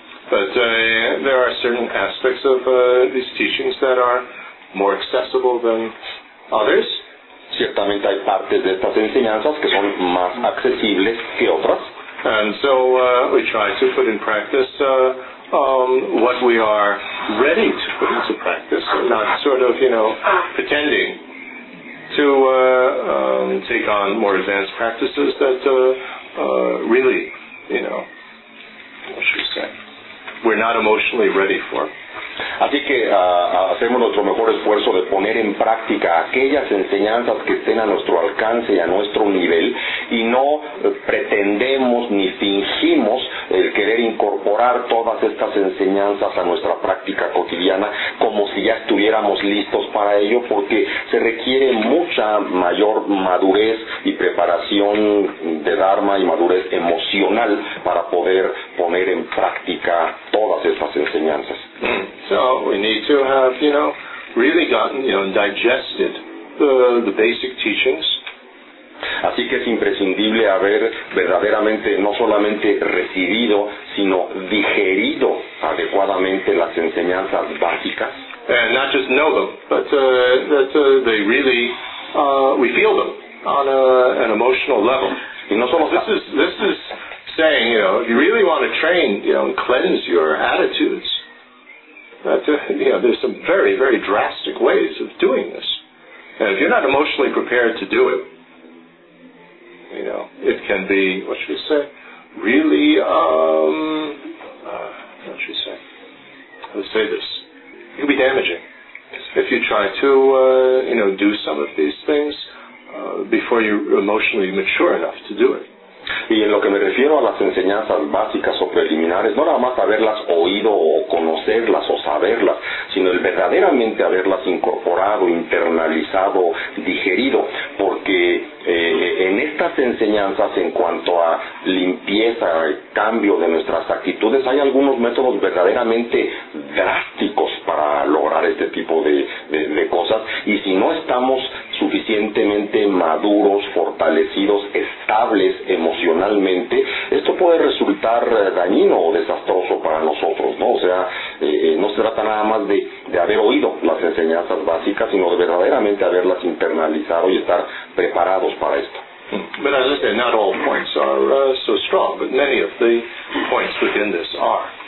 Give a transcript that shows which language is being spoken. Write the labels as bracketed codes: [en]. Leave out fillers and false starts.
[en] But there are certain aspects of these teachings that are more accessible than others. [es] Ciertamente hay partes de estas enseñanzas que son más accesibles que otras. [en] And so we try to put in practice what we are ready to put into practice, not sort of, you know, pretending to take on more advanced practices that really, you know, what should we say, we're not emotionally ready for. [es] Así que hacemos nuestro mejor esfuerzo de poner en práctica aquellas enseñanzas que estén a nuestro alcance y a nuestro nivel, y no pretendemos ni fingimos el querer incorporar todas estas enseñanzas a nuestra práctica cotidiana como si ya estuviéramos listos para ello, porque se requiere mucha mayor madurez y preparación de Dharma y madurez emocional para poder poner en práctica todas estas enseñanzas. [en] So we need to have, you know, really gotten, you know, digested the basic teachings. [es] Así que es imprescindible haber verdaderamente no solamente recibido, sino digerido adecuadamente las enseñanzas básicas. [en] And not just know them, but that they really, we feel them on an emotional level. [es] Y no solo [en] this is saying, you know, if you really want to train, you know, and cleanse your attitudes, there's some very, very drastic ways of doing this. And if you're not emotionally prepared to do it, you know, it can be, what should we say, really, what should we say? Let's say this. It can be damaging if you try to, you know, do some of these things before you're emotionally mature enough to do it. [es] Y en lo que me refiero a las enseñanzas básicas o preliminares, no nada más haberlas oído o conocerlas o saberlas, sino el verdaderamente haberlas incorporado, internalizado, digerido, porque en estas enseñanzas, en cuanto a limpieza, cambio de nuestras actitudes, hay algunos métodos verdaderamente drásticos para lograr este tipo de cosas, y si no estamos suficientemente maduros, fortalecidos, estables emocionalmente, esto puede resultar dañino o desastroso para nosotros, ¿no? O sea, no se trata nada más de haber oído las enseñanzas básicas, sino de verdaderamente haberlas internalizado y estar preparados para esto. [en] But as I said, not all points are so strong, but many of the points within this are.